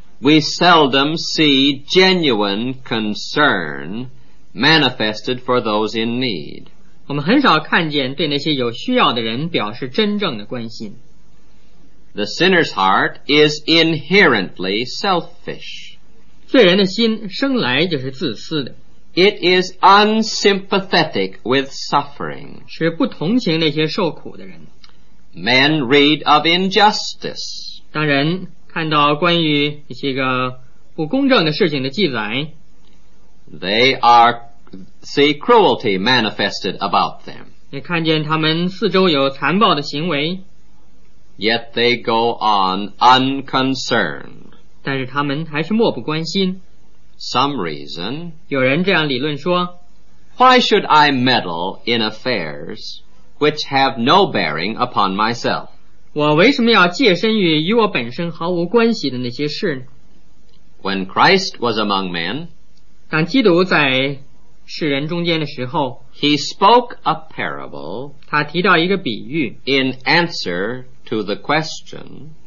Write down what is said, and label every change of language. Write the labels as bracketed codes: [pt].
[en] we seldom see genuine concern manifested for those in need. [zh] 我们很少看见对那些有需要的人表示真正的关心。 [en] The sinner's heart is inherently selfish. [zh] 罪人的心生来就是自私的。 [en] It is unsympathetic with suffering. [zh] 是不同情那些受苦的人。 [en] Men read of injustice. [zh] 当人看到关于一些个不公正的事情的记载， [en] They are see cruelty manifested about them. [zh] 也看见他们四周有残暴的行为， [en] Yet they go on unconcerned. [zh] 但是他们还是漠不关心。 [en] Some reason, [zh] 有人这样理论说， [en] Why should I meddle in affairs which have no bearing upon myself? [zh] 我为什么要介身于与我本身毫无关系的那些事呢？ [en] When Christ was among men, [zh] 当基督在世人中间的时候， [en] He spoke a parable, [zh] 他提到一个比喻， [en] In answer to the question,